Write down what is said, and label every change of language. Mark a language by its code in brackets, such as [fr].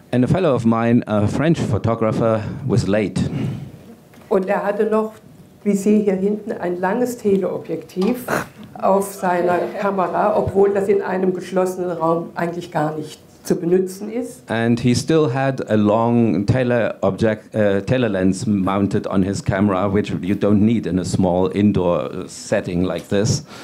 [en] And a fellow of mine, a French photographer, was late. [de] Und er hatte noch, wie Sie hier hinten, ein langes Teleobjektiv auf seiner Kamera, obwohl das in einem geschlossenen Raum eigentlich gar nicht zu benutzen ist. [en] And he still had a long tele lens mounted on his camera, which you don't need in a small indoor setting like this.